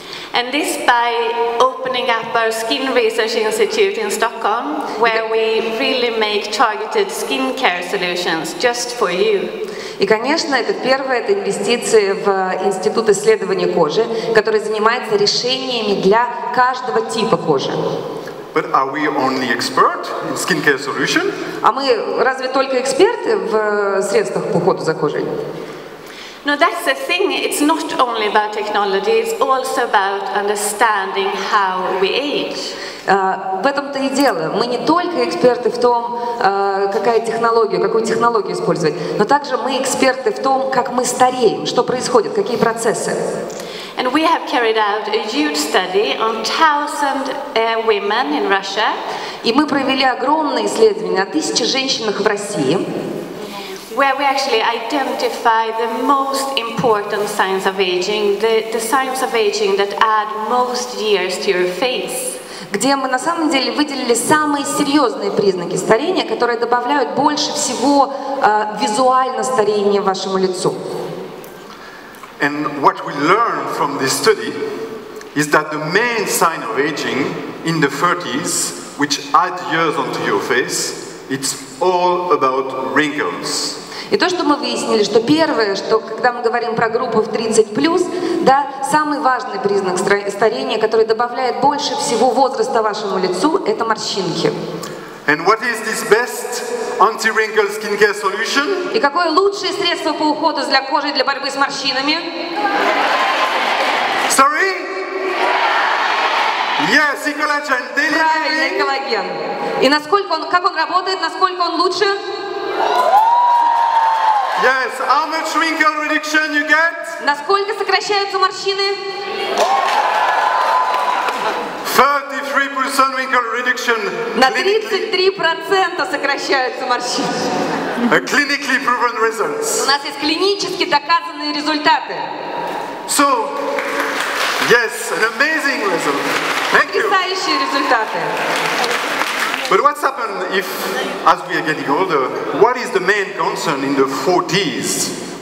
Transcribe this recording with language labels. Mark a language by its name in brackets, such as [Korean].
[English] And this by opening up our Skin Research Institute in Stockholm, where we really make targeted skincare solutions just for you. [Russian] И, конечно, это первое, это инвестиции в Институт исследования кожи, который занимается решениями для каждого типа кожи. [English] But are we only expert in skincare solution? [Russian] А мы разве только эксперты в средствах по уходу за кожей? [English] No, that's the thing. It's not only about technology. It's also about understanding how we age. [Russian] В этом-то и дело. Мы не только эксперты в том, какую технологию использовать, но также мы эксперты в том, как мы стареем, что происходит, какие процессы. [English] And we have carried out a huge study on 1,000 women in Russia. [Russian] И мы провели огромное исследование о 1,000 женщинах в России. [English] Where we actually identify the most important signs of aging, the signs of aging that add most years to your face. [Russian] где мы на самом деле выделили самые серьезные признаки старения, которые добавляют больше всего визуально старение вашему лицу. [English] And what we learned from this study is that the main sign of aging in the 30s, which add years onto your face, it's all about wrinkles. [Russian] И то, что мы выяснили, что первое, что когда мы говорим про группу в 30+, да, самый важный признак старения, который добавляет больше всего возраста вашему лицу, это морщинки. [English] And what is this best anti-wrinkle skincare solution? [Russian] И какое лучшее средство по уходу для кожи для борьбы с морщинами? [English] Sorry? Yes, collagen. [Russian] Правильно, коллаген. И насколько он, как он работает, насколько он лучше? [English] Yes, how much wrinkle reduction you get? [Russian] Насколько сокращаются морщины? [English] 33% wrinkle reduction. [Russian] На 33% сокращаются морщины. [English] A clinically proven results. [Russian] У нас есть клинически доказанные результаты. [English] So, yes, an amazing result. Thank you. [Russian] Потрясающие результаты. [English] But what's happened if, as we are getting older, what is the main concern in the 40s?